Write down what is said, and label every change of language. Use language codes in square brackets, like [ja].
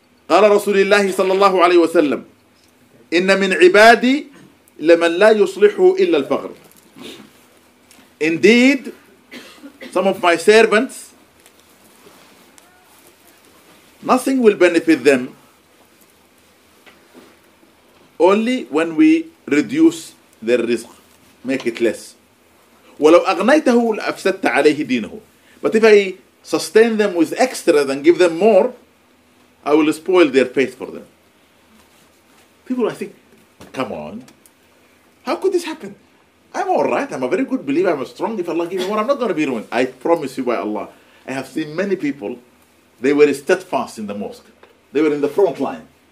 [ar] قال رسول الله صلى الله عليه وسلم إن من عبادي لمن لا يصلح إلا الفقر. [en] Indeed, some of my servants, nothing will benefit them only when we reduce their rizq, make it less. [ar] ولو أغنيته لأفسدت عليه دينه. [en] But if I sustain them with extra and give them more, I will spoil their faith for them. People, I think, come on. How could this happen? I'm all right. I'm a very good believer. I'm a strong. If Allah gives me more, I'm not going to be ruined. I promise you by Allah. I have seen many people. They were steadfast in the mosque. They were in the front line.